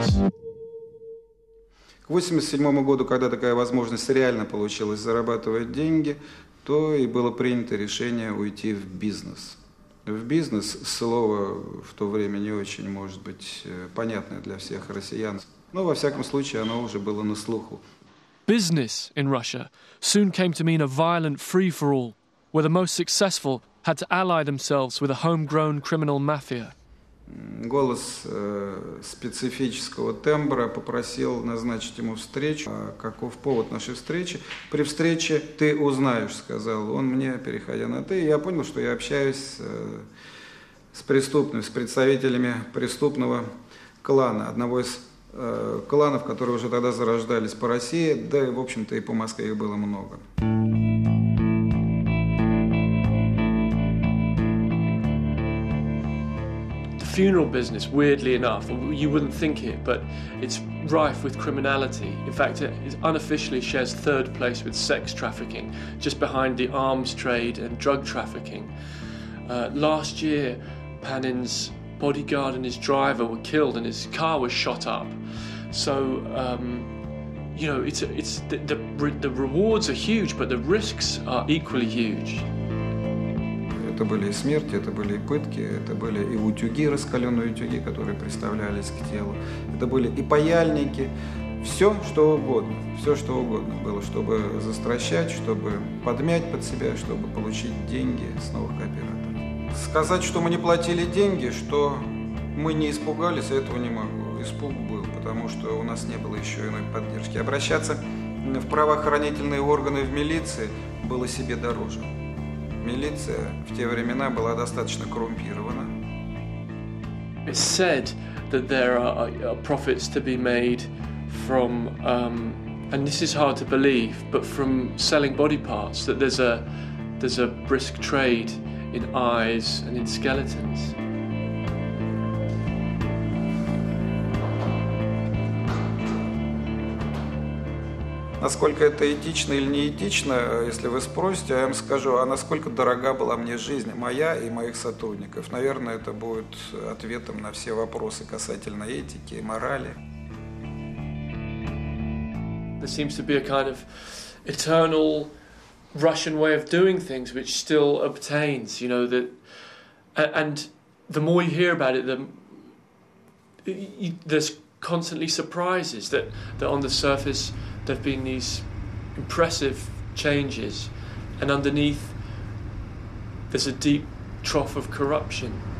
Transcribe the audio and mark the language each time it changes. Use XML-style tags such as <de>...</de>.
<ru>К 87 году, когда такая возможность реально получилась зарабатывать деньги, то и было принято решение уйти в бизнес. В бизнес слово в то время не очень, может быть, понятное для всех россиян, но во всяком случае оно уже было на слуху.</ru> <en>Business in Russia soon came to mean a violent free-for-all, where the most successful had to ally themselves with a homegrown criminal mafia.</en> <ru>Голос специфического тембра попросил назначить ему встречу. А каков повод нашей встречи? При встрече ты узнаешь, сказал он мне, переходя на ты. Я понял, что я общаюсь с преступными, с представителями преступного клана, одного из кланов, которые уже тогда зарождались по России, да и, в общем-то, и по Москве их было много.</ru> <en>Funeral business, weirdly enough, you wouldn't think it, but it's rife with criminality. In fact, it unofficially shares third place with sex trafficking, just behind the arms trade and drug trafficking. Last year, Panin's bodyguard and his driver were killed and his car was shot up. So, you know, it's the rewards are huge, but the risks are equally huge.</en> <ru>Это были и смерти, это были и пытки, это были и утюги, раскаленные утюги, которые приставлялись к телу, это были и паяльники, все, что угодно было, чтобы застращать, чтобы подмять под себя, чтобы получить деньги с новых кооператоров. Сказать, что мы не платили деньги, что мы не испугались, этого не могу. Испуг был, потому что у нас не было еще иной поддержки. Обращаться в правоохранительные органы, в милиции было себе дороже. Милиция в те времена была достаточно коррумпирована.</ru> <en>It's said that there are profits to be made from And this is hard to believe, but from selling body parts, that there's a brisk trade in eyes and in skeletons.</en> <ru>Насколько это этично или не этично, если вы спросите, я вам скажу, а насколько дорога была мне жизнь моя и моих сотрудников? Наверное, это будет ответом на все вопросы касательно этики и морали.</ru> <en>There seems to be a kind of eternal Russian way of doing things which still obtains, you know, that, and the more you hear about it, there's constantly surprises that on the surface there have been these impressive changes, and underneath there's a deep trough of corruption.</en>